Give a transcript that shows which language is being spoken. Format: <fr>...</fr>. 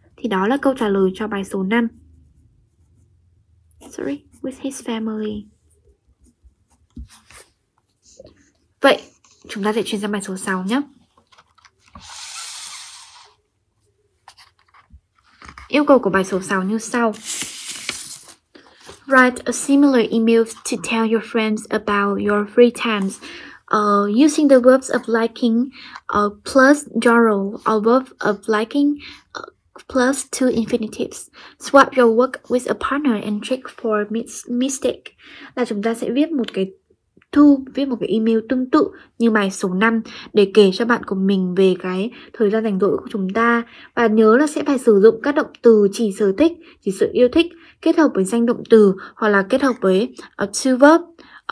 <vi>Thì đó là câu trả lời cho bài số 5.</vi> <en>Sorry, with his family.</en> <vi>Vậy chúng ta sẽ chuyển sang bài số 6 nhé. Yêu cầu của bài số 6 như sau.</vi> <en>Write a similar email to tell your friends about your free times using the verbs of liking plus plural or verb of liking plus two infinitives. Swap your work with a partner and check for mistake.</en> <vi>Là chúng ta sẽ viết một cái thư, viết một cái email tương tự như bài số 5 để kể cho bạn của mình về cái thời gian rảnh rỗi của chúng ta. Và nhớ là sẽ phải sử dụng các động từ chỉ sở thích, chỉ sự yêu thích kết hợp với danh động từ hoặc là kết hợp với to verb.</vi>